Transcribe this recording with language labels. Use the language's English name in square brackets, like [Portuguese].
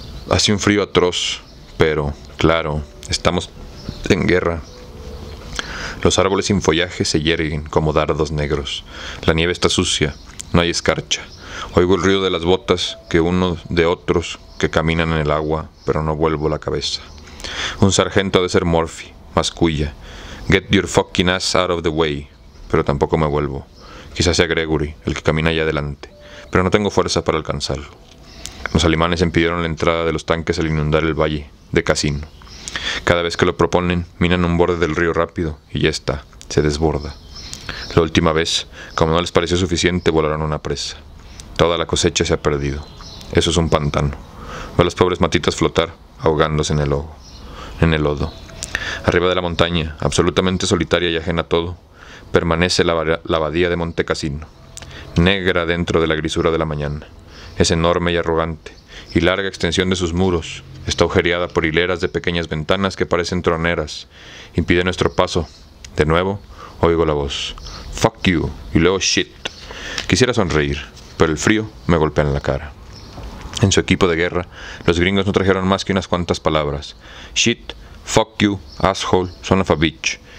[Spanish] Hace un frío atroz, pero, claro, estamos en guerra. Los árboles sin follaje se yerguen como dardos negros. La nieve está sucia, no hay escarcha. Oigo el ruido de las botas que uno de otros que caminan en el agua, pero no vuelvo la cabeza. Un sargento ha de ser Murphy, mascuya. [English] Get your fucking ass out of the way. [Spanish] Pero tampoco me vuelvo. Quizás sea Gregory, el que camina allá adelante. Pero no tengo fuerza para alcanzarlo. Los alemanes impidieron la entrada de los tanques al inundar el valle de casino. Cada vez que lo proponen, miran un borde del río rápido y ya está, se desborda. La última vez, como no les pareció suficiente, volaron una presa. Toda la cosecha se ha perdido. Eso es un pantano. Ve a las pobres matitas flotar, ahogándose en el lodo. Arriba de la montaña, absolutamente solitaria y ajena a todo, permanece la abadía de Monte Cassino, negra dentro de la grisura de la mañana. Es enorme y arrogante, y larga extensión de sus muros está agujereada por hileras de pequeñas ventanas que parecen troneras. Impide nuestro paso. De nuevo, oigo la voz. [English] Fuck you, [Spanish] y luego shit. Quisiera sonreír, pero el frío me golpea en la cara. En su equipo de guerra, los gringos no trajeron más que unas cuantas palabras. [English] Shit, fuck you, asshole, son of a bitch.